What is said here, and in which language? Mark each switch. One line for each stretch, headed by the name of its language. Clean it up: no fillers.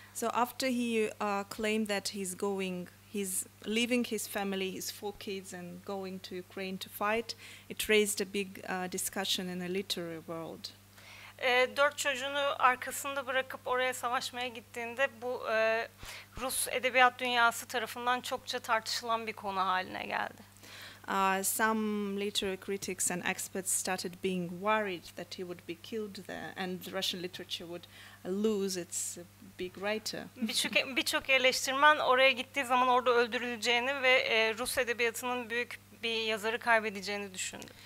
English: So after he claimed that he's going, he's leaving his family, his four kids, and going to Ukraine to fight, it raised a big discussion in the literary world.
Turkish: Dört çocuğunu arkasında bırakıp oraya savaşmaya gittiğinde bu Rus edebiyat dünyası tarafından çokça tartışılan bir konu haline geldi.
English: Some literary critics and experts started being worried that he would be killed there and the Russian literature would lose its big writer.
Turkish: Birçok eleştirmen oraya gittiği zaman orada öldürüleceğini ve Rus edebiyatının büyük bir yazarı kaybedeceğini düşündü.